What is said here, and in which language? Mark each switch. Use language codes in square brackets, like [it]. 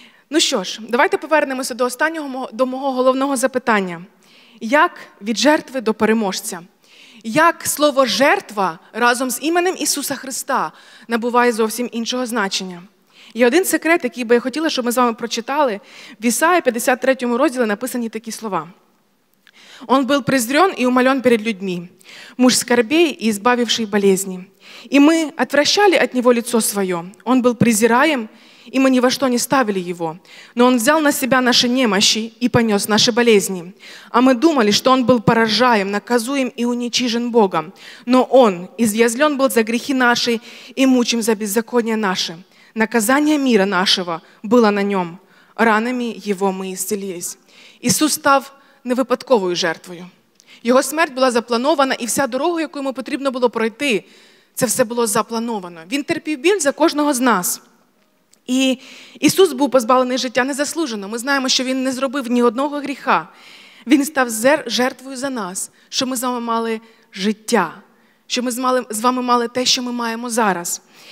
[uk] Ну що ж, давайте повернемося до останнього, до мого головного запитання. Як від жертви до переможця? Як слово «жертва» разом з іменем Ісуса Христа набуває зовсім іншого значення? І один секрет, який би я хотіла, щоб ми з вами прочитали, в Ісаї 53 розділі написані такі слова. [ru] Он был презрен и умолен перед людьми, муж скорбей и избавивший болезни. И мы отвращали от него лицо свое. Он был презираем, и мы ни во что не ставили его. Но он взял на себя наши немощи и понес наши болезни. А мы думали, что он был поражаем, наказуем и уничижен Богом. Но он изъязлен был за грехи наши и мучим за беззаконие наше. Наказание мира нашего было на нем. Ранами его мы исцелились. [uk] Ісус став невипадковою жертвою. Його смерть була запланована, і вся дорога, яку йому потрібно було пройти, це все було заплановано. Він терпів біль за кожного з нас. І Ісус був позбавлений життя незаслужено. Ми знаємо, що він не зробив ні одного гріха. Він став жертвою за нас, що ми з вами мали життя, що ми з вами мали те, що ми маємо зараз.